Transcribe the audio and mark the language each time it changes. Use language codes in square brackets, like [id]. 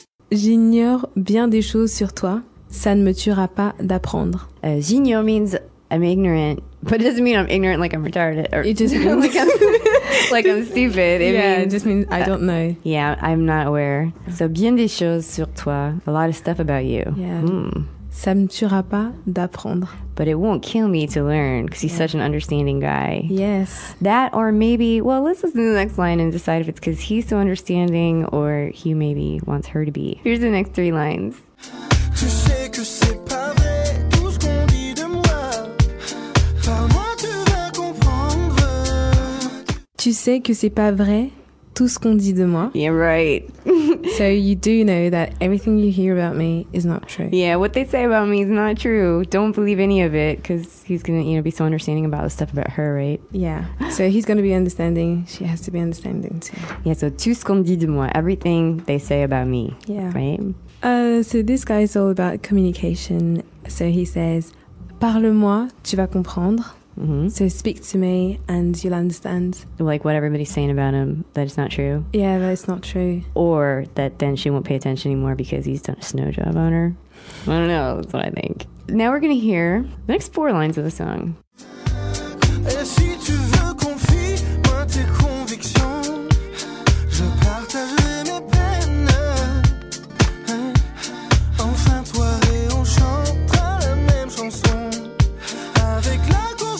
[fr] J'ignore bien des choses sur toi, ça ne me tuera pas d'apprendre. [en] J'ignore means I'm ignorant, but it doesn't mean I'm ignorant like I'm retarded. It just means like I'm stupid. It just means I don't know. Yeah, I'm not aware. So [fr] bien des choses sur toi, [en] a lot of stuff about you. [fr] Yeah. Mm. Ça ne me tuera pas d'apprendre. [en] But it won't kill me to learn, because he's such an understanding guy. Yes. That, or maybe, well, let's listen to the next line and decide if it's because he's so understanding or he maybe wants her to be. Here's the next three lines. [fr] Tu sais que c'est pas vrai, tout ce qu'on dit de moi. Par moi, tu vas comprendre. Tu sais que c'est pas vrai, tout ce qu'on dit de moi. [en] Yeah, right. So you do know that everything you hear about me is not true. Yeah, what they say about me is not true. Don't believe any of it, because he's going to, you know, be so understanding about the stuff about her, right? Yeah. So he's going to be understanding. She has to be understanding too. Yeah, so [fr] tout ce qu'on dit de moi, [en] everything they say about me. Yeah. Right? So this guy is all about communication. So he says, [fr] parle-moi, tu vas comprendre. [en] Mm-hmm. So speak to me and you'll understand. Like what everybody's saying about him, that it's not true. Yeah, that it's not true. Or that then she won't pay attention anymore because he's done a snow job on her. I don't know, that's what I think. Now we're going to hear the next four lines of the song. [fr] Et si tu veux confie-moi tes convictions, je partagerai mes peines. Enfin toi et on chantera la même chanson avec la.